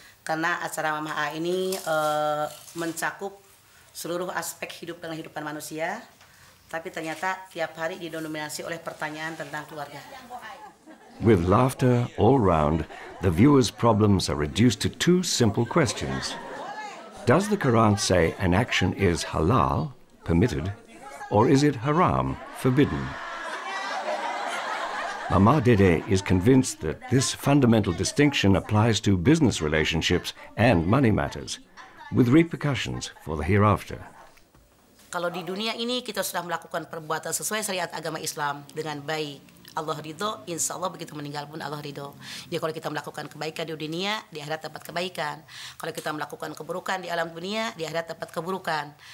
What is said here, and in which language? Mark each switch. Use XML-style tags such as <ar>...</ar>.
<id>Karena acara Mama A ini mencakup seluruh aspek hidup dan kehidupan manusia. Tapi ternyata tiap hari didominasi oleh pertanyaan tentang keluarga.</id> <en>With laughter all round, the viewers' problems are reduced to 2 simple questions. Does the Quran say an action is halal, permitted, or is it haram, forbidden? Mama Dede is convinced that this fundamental distinction applies to business relationships and money matters, with repercussions for the hereafter.</en> <id>Kalau di dunia ini kita sudah melakukan perbuatan sesuai syariat agama Islam dengan baik, Allah ridho, insya Allah begitu meninggal pun Allah ridho. Jadi kalau kita melakukan kebaikan di dunia, di akhirat dapat kebaikan. Kalau kita melakukan keburukan di alam dunia, di akhirat dapat keburukan.</id>